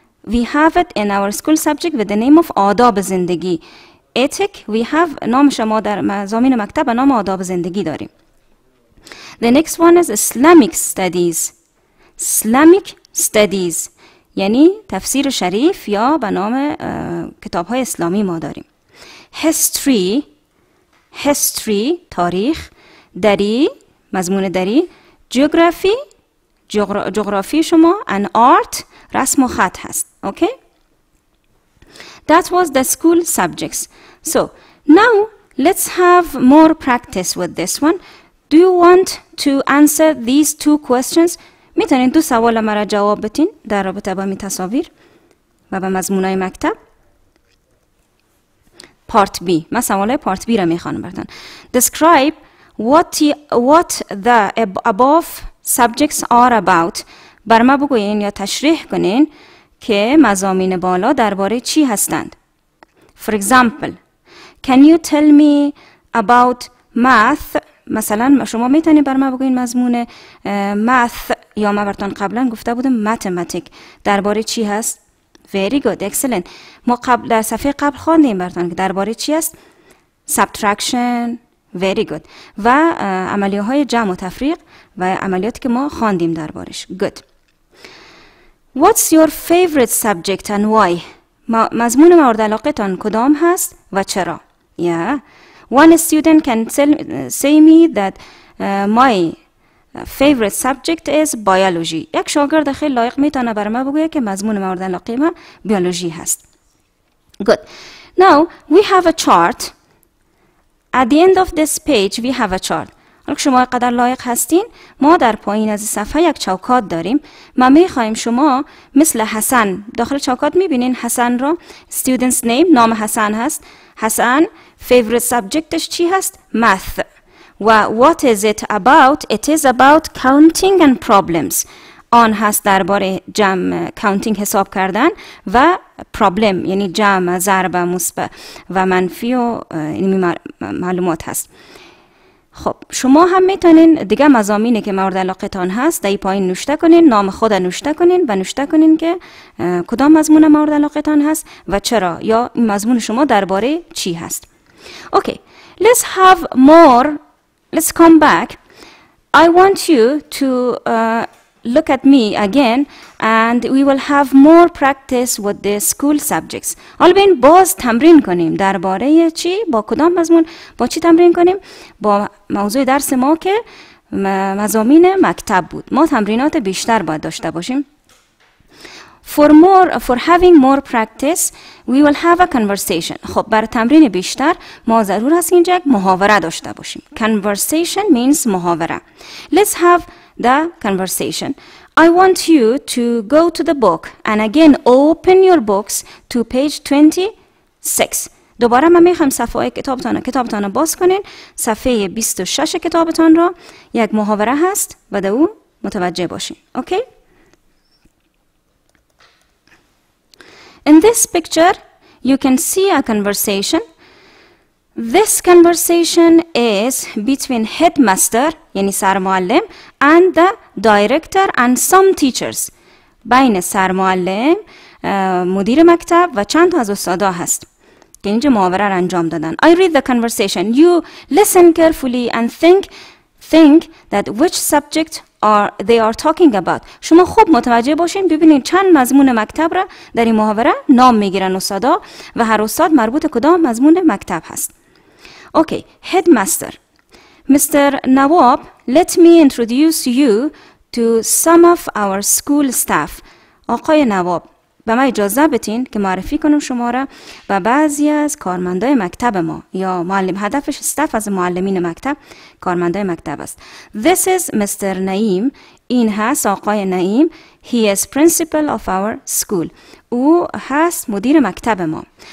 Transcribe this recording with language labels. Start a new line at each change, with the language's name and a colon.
English: We have it in our school subject with the name of آداب زندگی. Ethic, we have
Persian: نام شما در مضامین مکتب نام آداب زندگی داریم.
English: The next one is Islamic studies.
Persian: Islamic studies یعنی تفسیر شریف یا به نام کتاب‌های اسلامی ما داریم. History, تاریخ. دری، مضمون دری. جغرافی شما.
English: An art،
Persian: رسم و خط هست.
English: Okay, that was the school subjects. So now let's have more practice with this one. Do you want to answer these two questions?
Persian: میتونین دو سوال مرا جواب بدین در رابطه با متصاویر و با مضمونای مکتب part B. ما سوالای part B را میخوانم براتون.
English: Describe what the above subjects are about.
Persian: بر ما بگوین یا تشریح کنین که مضامین بالا درباره چی هستند.
English: For example, can you tell me about math?
Persian: مثلا شما میتونین بر ما بگوین مضمون math یا ما برتون قبلا گفته بودم mathematics درباره چی هست.
English: Very good, excellent.
Persian: ما قبل در صفحه قبل خواندیم برتون که درباره چی هست.
English: Subtraction. Very good.
Persian: و عملیات جمع و تفریق و عملیاتی که ما خواندیم دربارش.
English: Good. What's your favorite subject and why?
Persian: مضمون مورد علاقتان کدام هست و چرا؟
English: Yeah. One student can say me that my favorite subject is biology.
Persian: یک شاگرد خیلی لایق میتونه برام بگه که مضمون مورد علاقه ما بیولوژی هست.
English: Good. Now we have a chart. At the end of this page, we have a chart.
Persian: حالا که شما قدر لایق هستین، ما در پایین از صفحه یک چوکات داریم. ما میخواییم شما مثل حسن، داخل چوکات میبینین حسن رو،
English: student's name،
Persian: نام حسن هست. حسن،
English: favorite subject
Persian: ش چی هست؟ math.
English: و what is it about? It is about counting and problems.
Persian: آن هست درباره جمع، counting حساب کردن و problem یعنی جمع، ضرب، مثبت و منفی و یعنی معلومات هست. خب شما هم میتونین دیگه مضامینی که مورد علاقه تان هست در پایین نوشته کنین، نام خود نوشته کنین و نوشته کنین که کدام مضمون مورد علاقه تان هست و چرا، یا مضمون شما درباره چی هست.
English: Okay, let's have more. Let's come back. I want you to look at me again and we will have more practice with the school subjects.
Persian: حالا بین باز تمرین کنیم درباره چی؟ با کدام مضمون؟ با چی تمرین کنیم؟ با موضوع درس ما که مضامین مکتب بود. ما تمرینات بیشتر باید داشته باشیم.
English: For having more practice, we will have a conversation.
Persian: خب برای تمرین بیشتر ما ضرور است اینجا محاوره داشته باشیم.
English: Conversation means محاوره. Let's have the conversation. I want you to go to the book and again open your books to page 26.
Persian: دوباره من میخوام صفحه کتابتان رو باز کنین. صفحه 26 کتابتان رو یک محاوره هست و در اون متوجه باشین.
English: Okay? In this picture, you can see a conversation. This conversation is between headmaster,
Persian: یعنی سرمعلم,
English: and the director and some teachers.
Persian: بین سرمعلم, مدیر مکتب و چند تا از استادا هست. که اینجا محاوره را انجام دادن.
English: I read the conversation. You listen carefully and think that which subject they are talking about.
Persian: شما خوب متوجه باشین ببینید چند مضمون مکتب را در این محاوره نام میگیرن استادا و هر استاد مربوط کدام مضمون مکتب هست.
English: Okay, headmaster. Mr. Nawab, let me introduce you to some of our school staff.
Persian: آقای نواب, به من اجازه بدین که معرفی کنم شما را و بعضی از کارمندای مکتب ما یا معلم. هدفش استاف از معلمین مکتب کارمندای مکتب است.
English: This is Mr. Naeem.
Persian: این هست آقای نعیم.
English: He is principal of our school.
Persian: او هست مدیر مکتب ما.